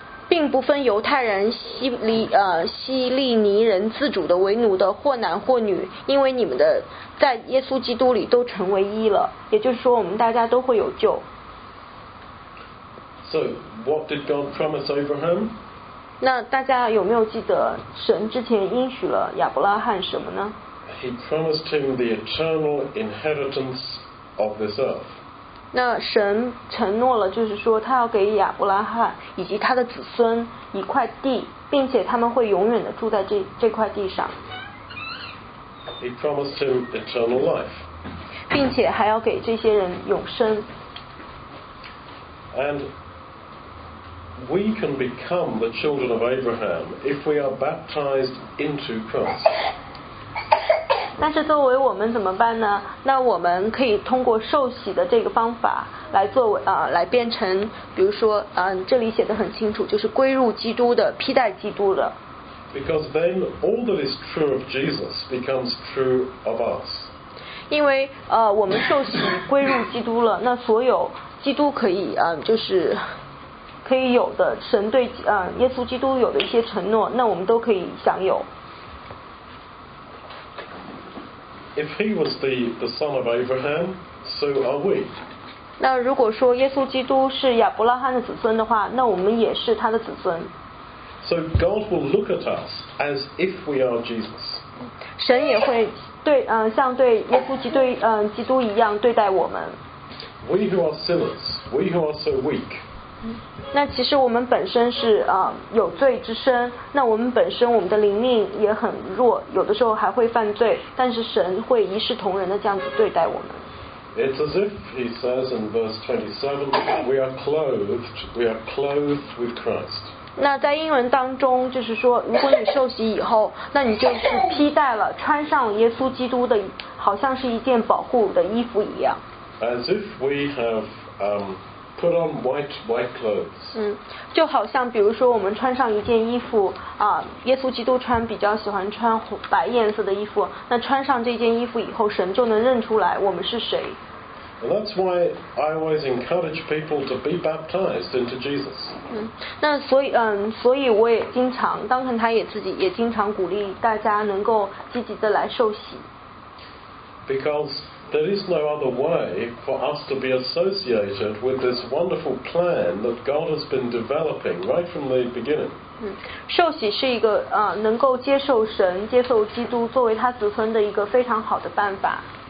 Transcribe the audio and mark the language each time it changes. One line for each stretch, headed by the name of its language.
Chinese: 并不分犹太人、希利尼人、自主的、为奴的、或男或女，因为你们的在耶稣基督里都成为一了，也就是说我们大家都会有救。
English: So what did God promise Abraham?
Chinese: 那大家有没有记得神之前应许了亚伯拉罕什么呢？
English: He promised him the eternal inheritance of this earth.
Chinese: 那神承诺了，就是说他要给亚伯拉罕以及他的子孙一块地，并且他们会永远的住在 这块地上。
English: He promised him eternal life.
Chinese: 并且还要给这些人永生。
English: And we can become the children of Abraham if we are baptized into Christ.
Chinese: 但是作为我们怎么办呢？那我们可以通过受洗的这个方法来作为来变成，比如说这里写的很清楚，就是归入基督的，披戴基督的。
English: Because then all that is true of Jesus becomes true of us.
Chinese: 因为我们受洗归入基督了，那所有基督可以就是可以有的，神对耶稣基督有的一些承诺，那我们都可以享有。
English: If he was the son of Abraham, so are we.
Chinese: 那如果说耶稣基督是亚伯拉罕的子孙的话，那我们也是他的子孙。
English: So God will look at us as if we are Jesus.
Chinese: 神也会对像对耶稣基督基督一样对待我们。
English: We who are sinners, we who are so weak.
Chinese: 那其实我们本身是有罪之身，那我们本身我们的灵命也很弱，有的时候还会犯罪，但是神会一视同仁的这样子对待我们。
English: It's as if he says in verse 27, we are clothed with Christ.
Chinese: 那在英文当中就是说，如果你受洗以后，那你就是披戴了，穿上耶稣基督的，好像是一件保护的衣服一样。
English: As if we have put on white clothes.
Chinese: 就好像比如说我们穿上一件衣服耶稣基督穿比较喜欢穿白颜色的衣服，那穿上这件衣服以后，神就能认出来我们是谁。
English: And that's why I always encourage people to be baptized into Jesus.
Chinese: 那所以我也经常，当然他也自己也经常鼓励大家能够积极的来受洗。
English: Because there is no other way for us to be associated with this wonderful plan that God has been developing right from the beginning.
Chinese: 受洗是一个能够接受神、接受基督作为他子孙的一个非常好的办法。